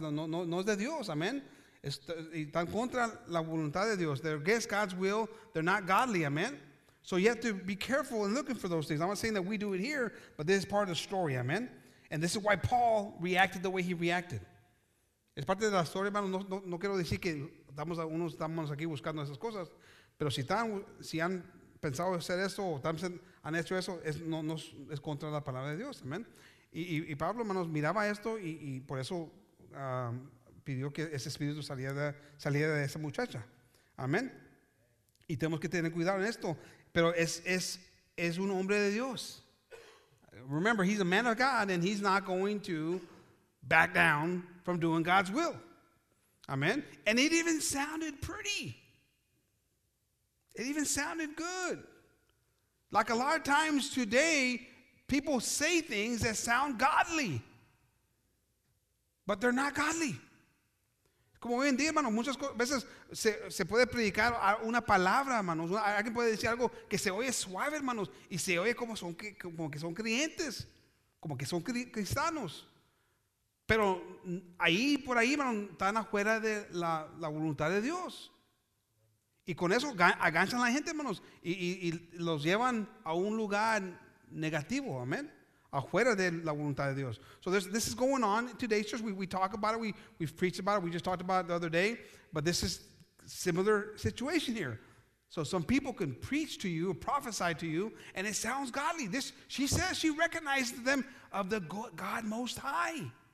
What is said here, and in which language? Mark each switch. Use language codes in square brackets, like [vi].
[es] No es de Dios, amén. Están contra la voluntad de Dios. [en] They're against God's will. They're not godly, amen. So you have to be careful in looking for those things. I'm not saying that we do it here, but this is part of the story, amen. And this is why Paul reacted the way he reacted. [es] Es parte de la historia, hermanos. No quiero decir que estamos aquí buscando esas cosas, pero si han pensado hacer eso o también han hecho eso, es contra la palabra de Dios, amén. Y Pablo, hermanos, miraba esto y por eso pidió que ese espíritu saliera de esa muchacha, amén. Y tenemos que tener cuidado en esto, pero es un hombre de Dios. [en] Remember, he's a man of God and he's not going to back down from doing God's will, amén. And it even sounded pretty. It even sounded good. Like a lot of times today, people say things that sound godly, but they're not godly. [es] Como hoy en día, hermanos, muchas veces se puede predicar una palabra, hermanos. Alguien puede decir algo que se oye suave, hermanos, y se oye como que son creyentes, como que son cristianos. Pero ahí por ahí, hermanos, están afuera de la voluntad de Dios. Y con eso aganchan a la gente, hermanos, y los llevan a un lugar negativo, amén, afuera de la voluntad de Dios. [en] So this is going on today. It's just we talk about it, we've preached about it, we just talked about it the other day, but this is similar situation here. So some people can preach to you, prophesy to you, and it sounds godly. This, she says she recognized them of the God Most High.